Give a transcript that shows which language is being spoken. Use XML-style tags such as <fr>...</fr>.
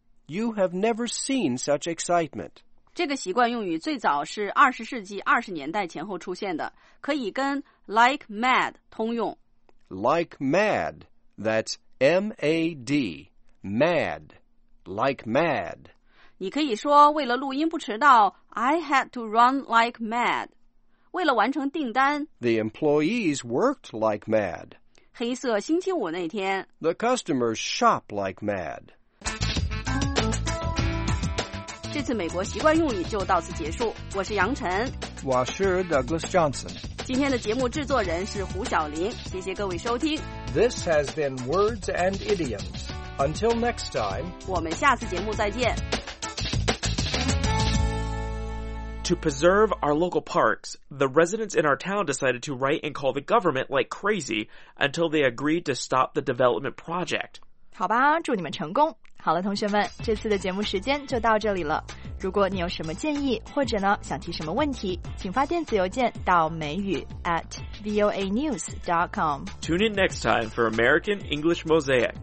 <en>You have never seen such excitement.</en> <zh>这个习惯用语最早是20世纪20年代前后出现的，可以跟 like mad 通用。</zh> <en>Like mad, that's M-A-D, mad. Like mad.</en> <zh>你可以说为了录音不迟到，</zh> <en>I had to run like mad.</en> <zh>为了完成订单，</zh> <en>The employees worked like mad.</en> <zh>黑色星期五那天，</zh> <en>The customers shop like mad.</en> <zh>这次美国习惯用语就到此结束。我是杨晨，我是 Douglas Johnson. 今天的节目制作人是胡晓玲，谢谢各位收听。</zh> <en>This has been Words and Idioms. Until next time,</en> <zh>我们下次节目再见。</zh> <en>To preserve our local parks, the residents in our town decided to write and call the government like crazy until they agreed to stop the development project.</en> <zh>好吧，祝你们成功。好了，同学们，这次的节目时间就到这里了。如果你有什么建议，或者呢，想提什么问题，请发电子邮件到美语@voanews.com.</zh> <en>Tune in next time for American English Mosaic.</en>